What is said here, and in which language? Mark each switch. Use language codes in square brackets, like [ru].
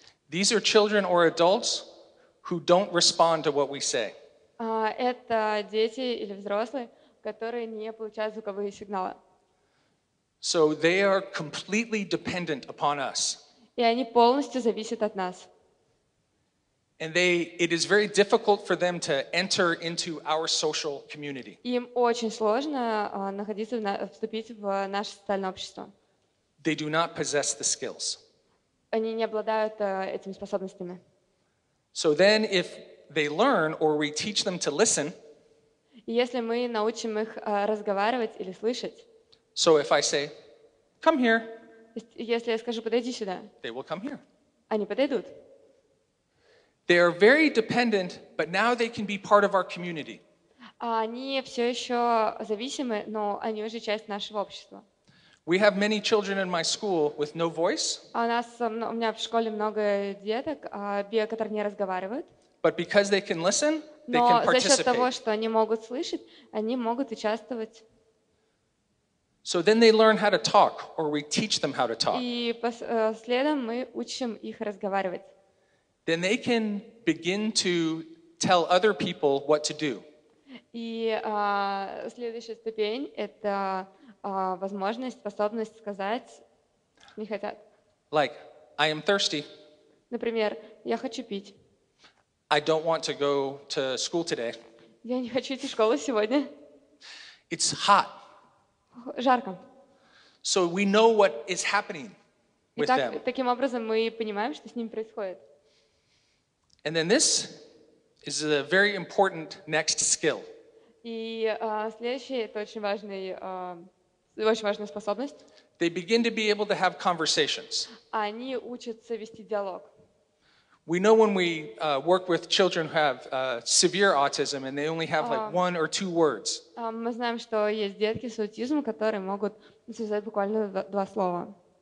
[en] These are children or adults who don't respond to what we say. [ru] Это дети или взрослые, которые не получают звуковые сигналы. [en] So they are completely dependent upon us. [ru] И они полностью зависят от нас. [en] And they, it is very difficult for them to enter into our social community. [ru] Им очень сложно вступить в наше социальное общество. [en] They do not possess the skills. [ru] Они не обладают этими способностями. [en] So then if they learn or we teach them to listen. [ru] Если мы научим их разговаривать или слышать. [en] So if I say, come here. [ru] Если я скажу, подойди сюда. [en] They will come here. [ru] Они подойдут. [en] They are very dependent, but now they can be part of our community. [ru] Они все еще зависимы, но они уже часть нашего общества. [en] We have many children in my school with no voice. [ru] У меня в школе много деток, которые не разговаривают. [en] But because they can listen, they [ru] но [en] can participate. [ru] За счет того, что они могут слышать, они могут участвовать. [en] So then they learn how to talk, or we teach them how to talk. [ru] И следом мы учим их разговаривать. [en] Then they can begin to tell other people what to do. [ru] И следующая ступень — это возможность, способность сказать, не хотят. [en] Like, I am thirsty. [ru] Например, я хочу пить. [en] I don't want to go to school today. [ru] Я не хочу идти в школу сегодня. [en] It's hot. [ru] Жарко. [en] So we know what is happening with them. [ru] Итак, таким образом мы понимаем, что с ними происходит. [en] And then this is a very important next skill. [ru] И следующее это очень важная способность. [en] They begin to be able to have conversations. [ru] Они учатся вести диалог. [en] We know when we work with children who have severe autism and they only have like one or two words. [ru] Мы знаем, что есть детки с аутизмом, которые могут связать буквально два слова.